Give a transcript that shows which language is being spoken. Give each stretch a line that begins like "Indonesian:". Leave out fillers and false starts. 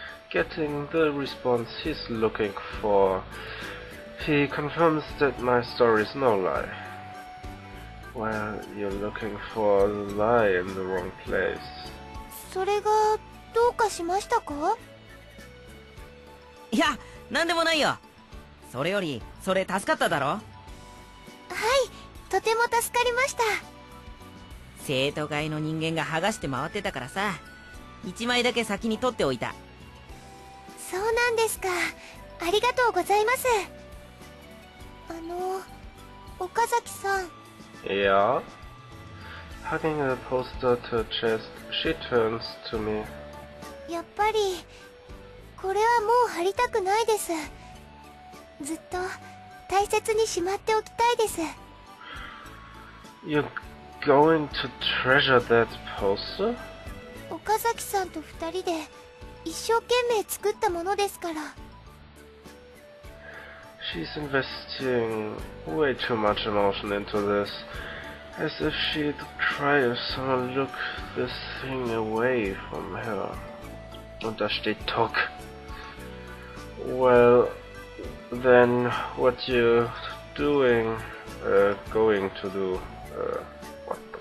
English: Getting the response he's looking for, he confirms that my story's no lie. Well, you're looking for the lie in the wrong place.
Japanese: それが、どうかしましたか？いや、なんでもないよ。それより、それ助かっただろ？はい、とても助かりました。生徒会の人間が剥がして回ってたからさ、一枚だけ先に取っておいた。そうなんですか。ありがとうございます。岡崎さん。
English: Yeah? Hugging a poster to her chest, she turns to me.
Japanese: やっぱり、これはもう貼りたくないです。ずっと大切にしまっておきたいです。
English: You're going to treasure that poster?
Japanese: 岡崎さんと二人で一生懸命作ったものですから。
English: She's investing way too much emotion into this. As if she'd cry if someone took this thing away from her.
German: Und da steht Tok.
English: Well, then what you're doing, going to do, what?